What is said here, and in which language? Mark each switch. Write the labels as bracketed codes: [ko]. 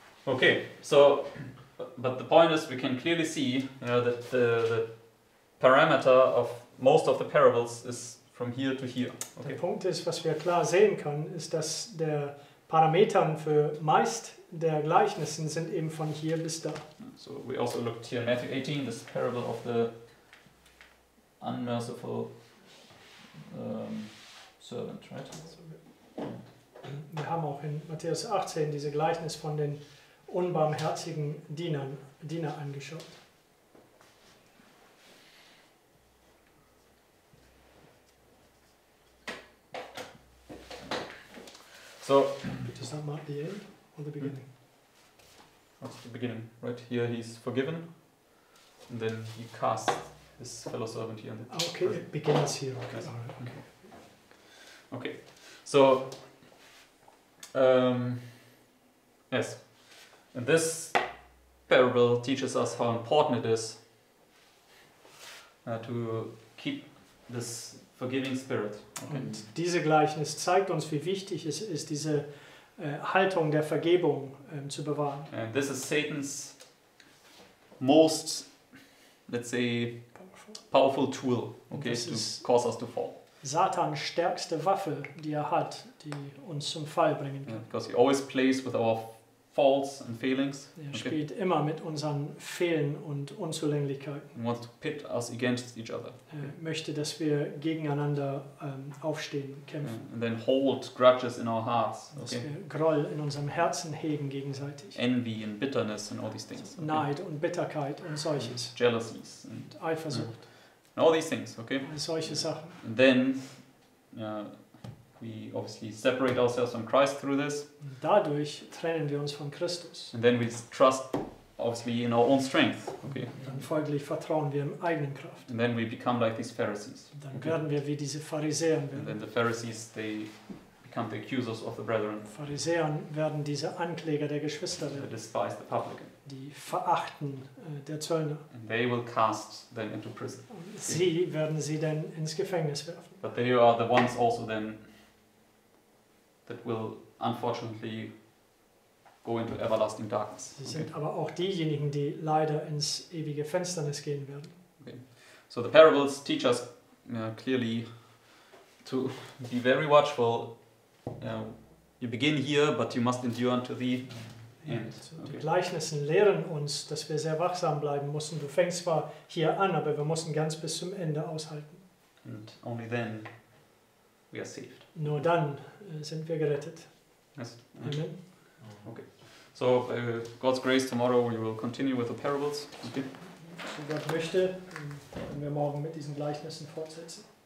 [en] Okay, so, but the point is, we can clearly see that the parameter of most of the parables is from here to here. Okay. [de] Der Punkt ist, was wir klar sehen können, ist, dass der Parametern für meist der Gleichnissen sind eben von hier bis da. [en] So we also looked here in Matthew 18, this parable of the unmerciful servant, right? So [de] wir haben auch in Matthäus 18 diese Gleichnis von den unbarmherzigen Diener angeschaut. [en] So, does that mark the end or the beginning? That's the beginning, right? Here he's forgiven, and then he casts his fellow servant here. Okay, it begins here. Okay. Yes. All right. Okay. Okay. So, yes, and this parable teaches us how important it is to keep this forgiving spirit. Okay. [de] Und diese Gleichnis zeigt uns, wie wichtig es ist, diese Haltung der Vergebung zu bewahren. [en] And this is Satan's most, let's say, powerful tool, okay, to cause us to fall. [de] Satans stärkste Waffe, die er hat, die uns zum Fall bringen kann. [en] Yeah, because he always plays with our faults and failings. [de] Er spielt immer mit unseren Fehlen und Unzulänglichkeiten. [en] He wants to pit us against each other. [de] Er möchte, dass wir gegeneinander aufstehen, kämpfen. [en] Yeah, and then hold grudges in our hearts. Okay. [de] Dass wir Groll in unserem Herzen hegen gegenseitig. [en] Envy and bitterness and all these things. [de] Okay. Neid und Bitterkeit und solches. [en] And jealousies and [de] Eifersucht. Yeah. [en] And all these things, okay? [de] Und solche Sachen. [en] And then we obviously separate ourselves from Christ through this. [de] Und dadurch trennen wir uns von Christus. [en] And then we trust obviously in our own strength, okay? [de] Dann folglich vertrauen wir in eigenen Kraft. [en] And then we become like these Pharisees. [de] Und dann werden wir wie diese Pharisäer werden. [en] And then the Pharisees, they become the accusers of the brethren. [de] Pharisäer werden diese Ankläger der Geschwister werden. [en] They despise the publican. [de] Die verachten der Zöllner. [en] And they will cast them into prison. [de] Sie werden sie dann ins Gefängnis werfen. [en] But they are the ones also then that will unfortunately go into everlasting darkness. [de] Sie sind aber auch diejenigen, die leider ins ewige Finsternis gehen werden. [en] Okay. So the parables teach us clearly to be very watchful. You begin here, but you must endure until the [de] Und die Gleichnissen lehren uns, dass wir sehr wachsam bleiben müssen. Du fängst zwar hier an, aber wir müssen ganz bis zum Ende aushalten. [en] And only then we are saved. [de] Nur dann sind wir gerettet. [en] Yes. Amen. Okay. So, by God's grace, tomorrow we will continue with the parables. Okay. [de] So Gott möchte, werden wir morgen mit diesen Gleichnissen fortsetzen.